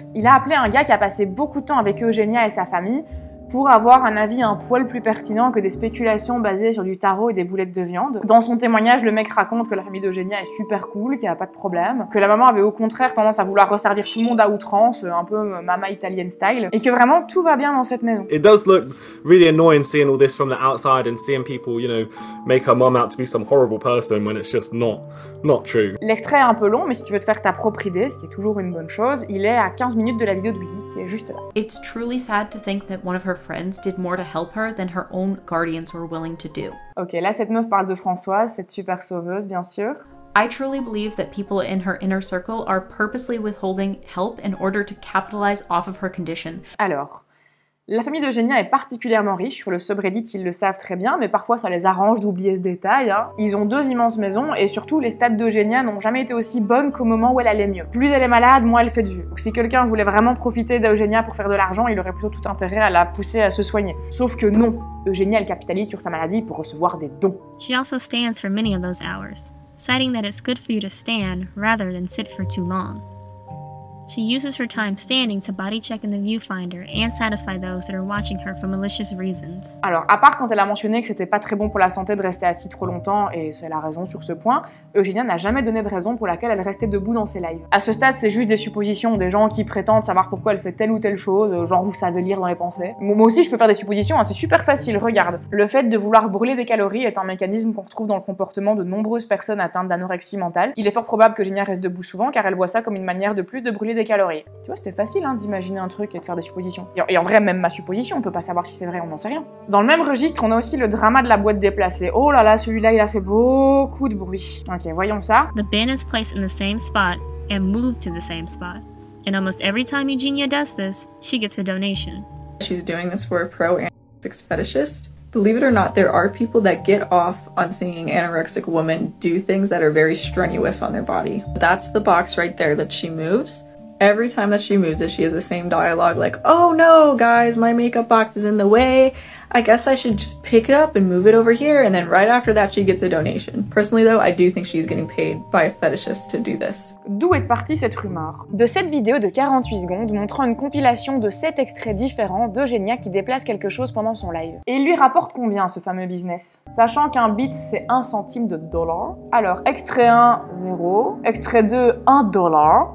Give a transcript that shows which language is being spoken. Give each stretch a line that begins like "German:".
French: Il a appelé un gars qui a passé beaucoup de temps avec Eugénia et sa famille pour avoir un avis un poil plus pertinent que des spéculations basées sur du tarot et des boulettes de viande. Dans son témoignage, le mec raconte que la famille d'Eugénia est super cool, qu'il n'y a pas de problème, que la maman avait au contraire tendance à vouloir resservir tout le monde à outrance, un peu mama italienne style, et que vraiment tout va bien dans cette maison.
English: It does look really annoying seeing all this from the outside and seeing people, you know, make her mom out to be some horrible person when it's just not true.
French: L'extrait est un peu long, mais si tu veux te faire ta propre idée, ce qui est toujours une bonne chose, il est à 15 minutes de la vidéo de Willy qui est juste là.
English: It's truly sad to think that one of her friends did more to help her than her own guardians were willing to do.
French: Ok, là cette meuf parle de Françoise, cette super sauveuse bien sûr.
English: I truly believe that people in her inner circle are purposely withholding help in order to capitalize off of her condition.
French: Alors, La famille d'Eugénia est particulièrement riche, sur le subreddit ils le savent très bien, mais parfois ça les arrange d'oublier ce détail. Hein. Ils ont deux immenses maisons, et surtout les stats d'Eugénia n'ont jamais été aussi bonnes qu'au moment où elle allait mieux. Plus elle est malade, moins elle fait de vue. Donc si quelqu'un voulait vraiment profiter d'Eugénia pour faire de l'argent, il aurait plutôt tout intérêt à la pousser à se soigner. Sauf que non, Eugénia elle capitalise sur sa maladie pour recevoir des dons.
English: She also stands for many of those hours, citing that it's good for you to stand rather than sit for too long. She uses her time standing to body check in the viewfinder and satisfy those that are watching her for malicious reasons.
French: Alors, à part quand elle a mentionné que c'était pas très bon pour la santé de rester assis trop longtemps, et c'est la raison sur ce point, Eugénia n'a jamais donné de raison pour laquelle elle restait debout dans ses lives. À ce stade, c'est juste des suppositions, des gens qui prétendent savoir pourquoi elle fait telle ou telle chose, genre vous savez lire dans les pensées. Moi aussi, je peux faire des suppositions, hein, c'est super facile, regarde. Le fait de vouloir brûler des calories est un mécanisme qu'on retrouve dans le comportement de nombreuses personnes atteintes d'anorexie mentale. Il est fort probable que Eugénia reste debout souvent car elle voit ça comme une manière de plus de brûler des calories. Tu vois, c'était facile hein, d'imaginer un truc et de faire des suppositions. Et en vrai, même ma supposition, on peut pas savoir si c'est vrai, on n'en sait rien. Dans le même registre, on a aussi le drama de la boîte déplacée. Oh là là, celui-là, il a fait beaucoup de bruit. Ok, voyons ça.
English: The bin is placed in the same spot and moved to the same spot. And almost every time Eugénia does this, she gets a donation. She's doing this for a pro anorexic fetishist. Believe it or not, there are people that get off on seeing anorexic women do things that are very strenuous on their body. That's the box right there that she moves. Every time that she moves it, she has the same dialogue like, oh no, guys, my makeup box is in the way. I guess I should just pick it up and move it over here. And then right after that, she gets a donation. Personally though, I do think she's getting paid by a fetishist to do this.
French: D'où est partie cette rumeur? De cette vidéo de 48 secondes montrant une compilation de 7 extraits différents d'Eugénia qui déplace quelque chose pendant son live. Et il lui rapporte combien ce fameux business? Sachant qu'un bit c'est 1 centime de dollar. Alors, extrait 1, 0. Extrait 2, 1 dollar.